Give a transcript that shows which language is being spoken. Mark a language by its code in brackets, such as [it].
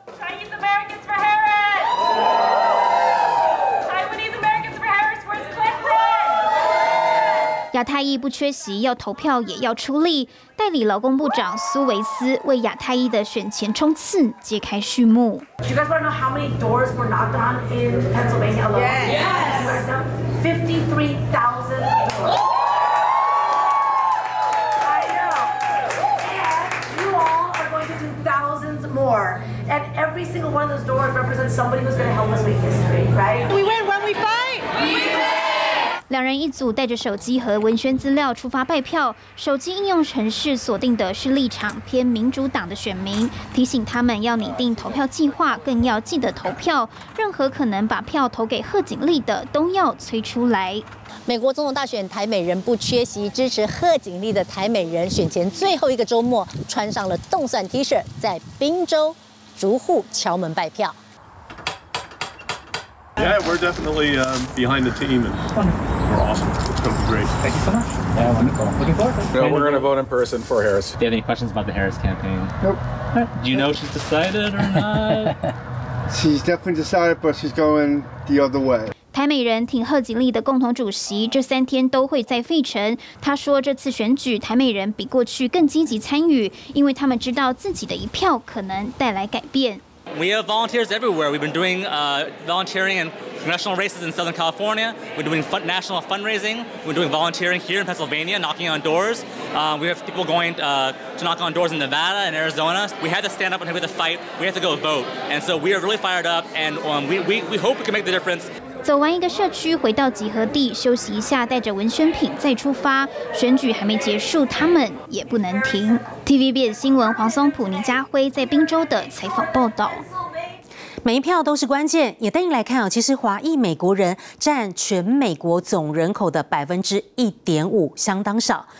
[en] Chinese Americans for Harris！Taiwanese Americans for Harris！Where's Clinton？ [zh] 亚太裔不缺席，要投票也要出力。代理劳工部长苏维斯为亚太裔的选前冲刺揭开序幕。 [en] You guys want to know how many doors were knocked on in Pennsylvania alone? Yes. 53,000 doors. I know. And you all are going to do thousands more. And every single one of those doors represents somebody who's going to help us make history, right? We win when we fight. We win. [zh] 两人一组带着手机和文宣资料出发拜票，手机应用程式锁定的是立场偏民主党的选民，提醒他们要拟定投票计划，更要记得投票，任何可能把票投给贺锦丽的都要催出来。美国总统大选台美人不缺席，支持贺锦丽的台美人选前最后一个周末穿上了动算 T 恤，在宾州逐户敲门拜票。 [en] Yeah, we're definitely behind the team, and we're awesome. It's going to be great. Thank you so much. Yeah, wonderful. Looking forward to it. No, we're going to vote in person for Harris. Do you have any questions about the Harris campaign? Nope. Do you know she's decided or not? She's definitely decided, but she's going the other way. [zh] 台美人挺贺锦丽的共同主席这三天都会在费城。他说，这次选举台美人比过去更积极参与，因为他们知道自己的一票可能带来改变。 [en] We have volunteers everywhere. We've been doing volunteering in congressional races in Southern California. We're doing national fundraising. We're doing volunteering here in Pennsylvania, knocking on doors. We have people going to knock on doors in Nevada and Arizona. We had to stand up and have the fight. We have to go vote. And so we are really fired up, and we hope we can make the difference. [zh] 走完一个社区，回到集合地休息一下，带着文宣品再出发。选举还没结束，他们也不能停。TVBS 新闻黄松浦、倪家辉在宾州的采访报道。每一票都是关键，也带你来看，其实华裔美国人占全美国总人口的1.5%，相当少。